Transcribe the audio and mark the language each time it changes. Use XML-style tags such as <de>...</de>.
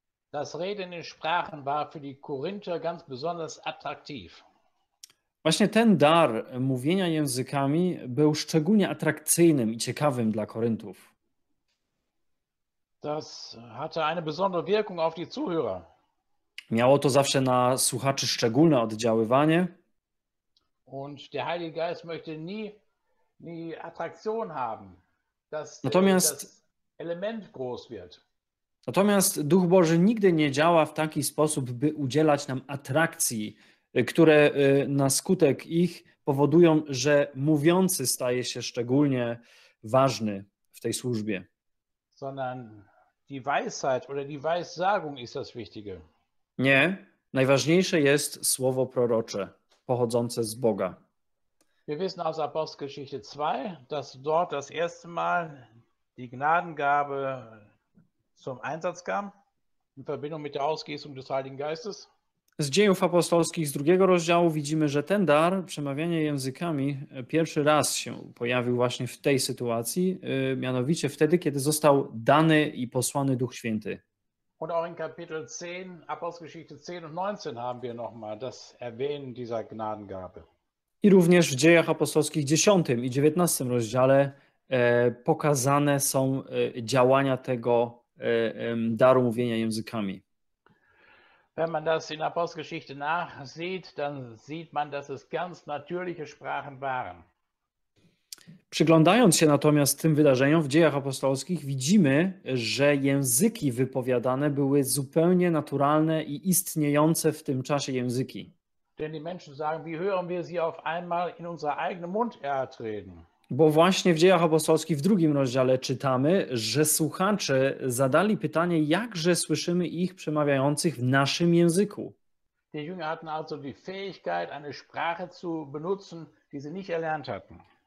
<de>Das Reden in Sprachen war für die Korinther ganz besonders attraktiv.</de> <pl>Właśnie ten dar mówienia językami był szczególnie atrakcyjnym i ciekawym dla Koryntów.</pl> <de>Das hatte eine besondere Wirkung auf die Zuhörer.</de> <pl>Miało to zawsze na słuchaczy szczególne oddziaływanie.</pl> <de>Und der Heilige Geist möchte nie Attraktion haben, dass</de> <pl>natomiast,</pl> <de>das Element groß wird.</de> <pl>Natomiast Duch Boży nigdy nie działa w taki sposób, by udzielać nam atrakcji, które na skutek ich powodują, że mówiący staje się szczególnie ważny w tej służbie.</pl> <de>Sondern die Weisheit oder die Weissagung ist das Wichtige.</de> <pl>Nie, najważniejsze jest słowo prorocze, pochodzące z Boga.</pl> <de>Wir wissen aus Apostelgeschichte 2, dass dort das erste Mal die Gnadengabe zum Einsatz kam, in Verbindung mit der Ausgießung des Heiligen Geistes.</de> <pl>Z Dziejów Apostolskich, z drugiego rozdziału, widzimy, że ten dar, przemawianie językami, pierwszy raz się pojawił właśnie w tej sytuacji, mianowicie wtedy, kiedy został dany i posłany Duch Święty.</pl> <de>Und auch in Kapitel 10, Apostelgeschichte 10 und 19 haben wir nochmal das Erwähnen dieser Gnadengabe.</de> <pl>I również w Dziejach Apostolskich 10 i 19 rozdziale pokazane są działania tego daru mówienia językami.</pl> <de>Wenn man das in Apostelgeschichte nachsieht, dann sieht man, dass es ganz natürliche Sprachen waren.</de> <pl>Przyglądając się natomiast tym wydarzeniom w Dziejach Apostolskich, widzimy, że języki wypowiadane były zupełnie naturalne i istniejące w tym czasie języki.</pl> <de>Denn die Menschen sagen, wie hören wir sie auf einmal in unser eigenen Mundart reden?</de> <pl>Bo właśnie w Dziejach Apostolskich w drugim rozdziale czytamy, że słuchacze zadali pytanie, jakże słyszymy ich przemawiających w naszym języku.</pl> <de>Die Jünger hatten also die Fähigkeit, eine Sprache zu benutzen, die sie nicht erlernt hatten.</de>